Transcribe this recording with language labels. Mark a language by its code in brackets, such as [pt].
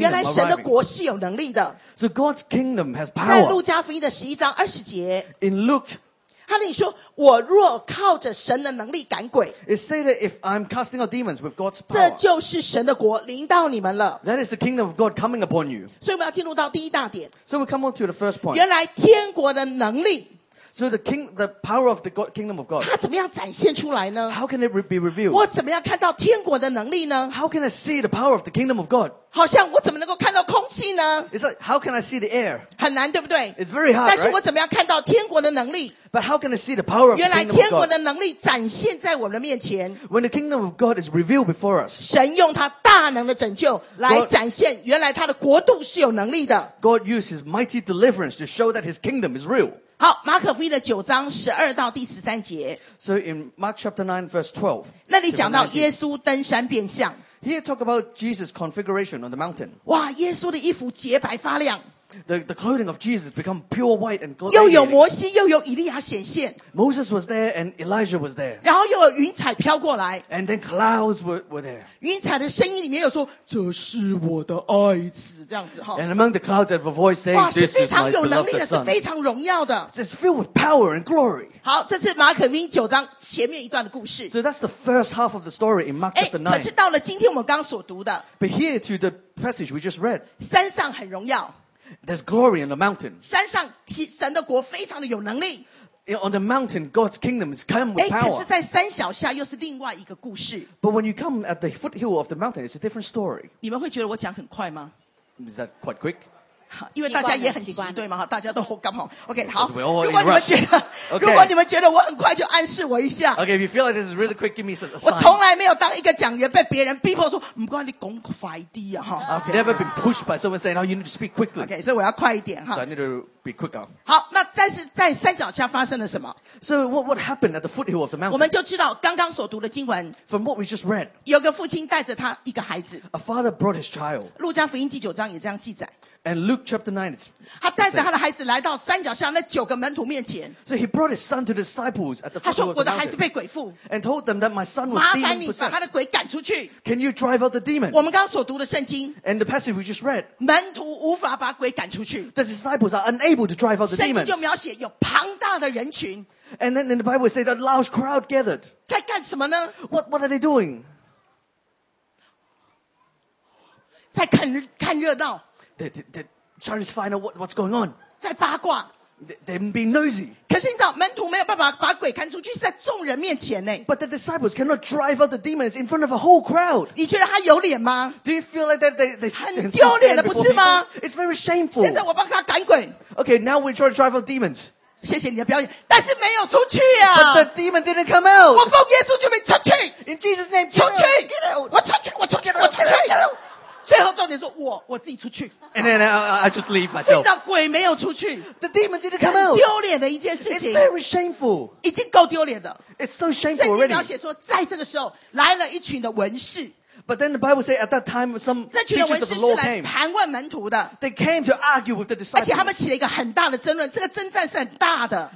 [zh] 原来神的国是有能力的。 [en] So God's kingdom has power. [zh] 在路加福音的十一章二十节， [en] In Luke， [zh] 他跟你说，我若靠着神的能力赶鬼， [en] It say that if I'm casting out demons with God's power， [zh] 这就是神的国临到你们了。 [en] That is the kingdom of God coming upon you. [zh] 所以我们要进入到第一大点。 [en] So we come on to the first point. [zh] 原来天国的能力， [en] So the power of the God, kingdom of God， [zh] 它怎么样展现出来呢？ [en] How can it be revealed？ [zh] 我怎么样看到天国的能力呢？ [en] How can I see the power of the kingdom of God？ [zh] 好像我怎么能够看到空气呢？ [en] It's like how can I see the air？ [zh] 很难，对不对？ [en] It's very hard， [zh] 但是我怎么样看到天国的能力？ [en] But how can I see the power of the kingdom of God? [zh] 原来天国的能力展现在我们的面前。 [en] When the kingdom of God is revealed before us, [zh] 神用他大能的拯救来展现，原来他的国度是有能力的。 [en] God used his mighty deliverance to show that his kingdom is real. [zh] 好，马可福音的九章十二到第十三节。 [en] So in Mark chapter 9 verse 12, [zh] 那里讲到耶稣登山变相。 [en] Here talk about Jesus' configuration on the mountain. [zh] 哇，耶稣的衣服洁白发亮。 [en] The clothing of Jesus become pure white and glorious. [zh] 又有摩西，又有以利亚显现。 [en] Moses was there and Elijah was there. [zh] 然后又有云彩飘过来。 [en] And then clouds were there. [zh] 云彩的声音里面有说，这是我的爱子，这样子哈。 [en] And among the clouds, there was a voice saying, "This is my beloved son." [zh] 哇，是非常有能力的，是非常荣耀的。 [en] It's filled with power and glory. [zh] 好，这是马可福音九章前面一段的故事。 [en] So that's the first half of the story in Mark chapter 9. [zh] 可是到了今天我们刚所读的。 [en] But here to the passage we just read. [zh] 山上很荣耀。 [en] There's glory on the mountain. [zh] 山上神的国非常的有能力。 [en] On the mountain, God's kingdom is come with power. [zh] 可是在山脚下又是另外一个故事。 [en] But when you come at the foothill of the mountain, it's a different story. [zh] 你们会觉得我讲很快吗？ [en] Is that quite quick? [zh] 因为大家也很习惯，对吗？大家都好刚好。OK， 好。 [en] We're all in rush. [zh] 如果你们觉得我很快，就暗示我一下。 [en] OK， if you feel like this is really quick, give me a sign. [zh] 我从来没有当一个讲员被别人逼迫说，唔该你讲快一点啊，哈。 [en] I've never been pushed by someone saying, "Oh, you need to speak quickly." [zh] OK， 所以我要快一点哈。 [en] So I need to be quicker. [zh] 好，那但是在山脚下发生了什么 [en] ？So what happened at the foothill of the mountain? [zh] 我们就知道刚刚所读的经文。 [en] From what we just read, [zh] 有个父亲带着他一个孩子。 [en] A father brought his child. [zh] 路加福音第九章也这样记载。 [en] And Luke chapter 9, it's [zh] 他带着他的孩子来到山脚下那九个门徒面前。 [en] So he brought his son to the disciples at the foot of the mountain. [zh] 他说我的孩子被鬼附。 [en] And told them that my son was demon possessed. [zh] 麻烦你把他的鬼赶出去。 [en] Can you drive out the demon? [zh] 我们刚刚所读的圣经。 [en] And the passage we just read. [zh] 门徒无法把鬼赶出去。 [en] The disciples are unable to drive out the demons. [zh] 圣经就描写有庞大的人群。 [en] And then in the Bible it says that large crowd gathered. [zh] 在干什么呢？ [en] What are they doing? [zh] 在看热闹。 [en] They're trying to find out what's going on. [zh] 在八卦。 [en] They're being nosy. [zh] 可是你知道，门徒没有办法把鬼赶出去，在众人面前呢。 [en] But the disciples cannot drive out the demons in front of a whole crowd. [zh] 你觉得他有脸吗 [en] ？Do you feel like that they [zh] 很丢脸的不是吗 [en] ？It's very shameful. [zh] 现在我帮他赶鬼。 [en] Okay, now we're trying to drive out demons. [zh] 谢谢你的表演，但是没有出去呀。 [en] But the demon didn't come out. [zh] 我奉耶稣之名出去。 [en] In Jesus' name, [zh] 出去。我出去，我出去，我出去。最后重点说我自己出去。 [en] And then I just leave myself. [zh] 所以让鬼没有出去。 [en] The demon didn't come out. [zh] 丢脸的一件事情。 [en] It's very shameful. [zh] 已经够丢脸的。 [en] It's so shameful already. [zh] 圣经描写说，在这个时候来了一群的文士。 [en] But then the Bible says at that time some teachers of the law came. [zh] 这群的文士是来盘问门徒的。 [en] They came to argue with the disciples. [zh] 而且他们起了一个很大的争论，这个争战是很大的。